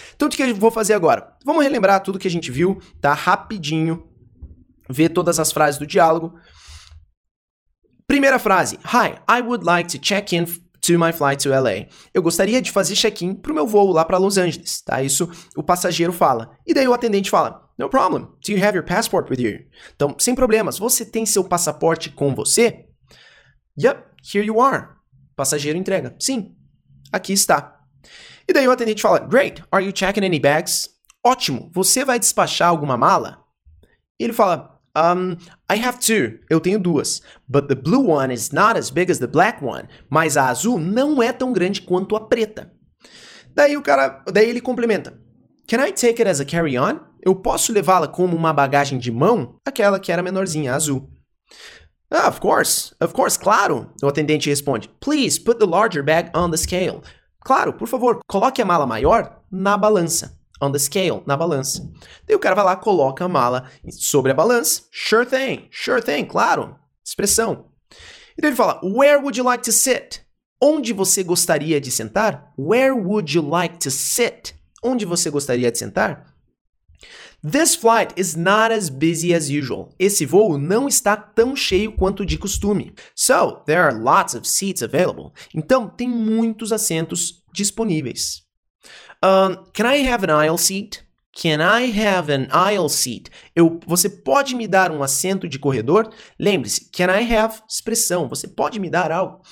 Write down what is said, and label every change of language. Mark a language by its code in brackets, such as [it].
[pt] Então o que eu vou fazer agora? Vamos relembrar tudo que a gente viu, tá? Rapidinho, ver todas as frases do diálogo. [en] Primeira frase, hi, I would like to check in to my flight to LA. [pt] Eu gostaria de fazer check-in pro meu voo lá pra Los Angeles, tá? Isso o passageiro fala. [en] E daí o atendente fala, no problem, do you have your passport with you? [pt] Então, sem problemas, você tem seu passaporte com você? Yep, here you are. Passageiro entrega, sim, aqui está. E daí o atendente fala, great, are you checking any bags? Ótimo, você vai despachar alguma mala? E ele fala, I have two, eu tenho duas, but the blue one is not as big as the black one, mas a azul não é tão grande quanto a preta. [en] Daí o cara, daí ele complementa, can I take it as a carry-on? [pt] Eu posso levá-la como uma bagagem de mão? Aquela que era menorzinha, a azul. [en] Ah, of course, claro, o atendente responde, please put the larger bag on the scale. [pt] Claro, por favor, coloque a mala maior na balança. On the scale, na balança. Daí o cara vai lá, coloca a mala sobre a balança. Sure thing, claro. Expressão. E daí ele fala, where would you like to sit? Onde você gostaria de sentar? [en] Where would you like to sit? Onde você gostaria de sentar? This flight is not as busy as usual. [pt] Esse voo não está tão cheio quanto de costume. [en] So, there are lots of seats available. Então, tem muitos assentos disponíveis. Can I have an aisle seat? Can I have an aisle seat? [pt] Você pode me dar um assento de corredor? Lembre-se, can I have, expressão, você pode me dar algo.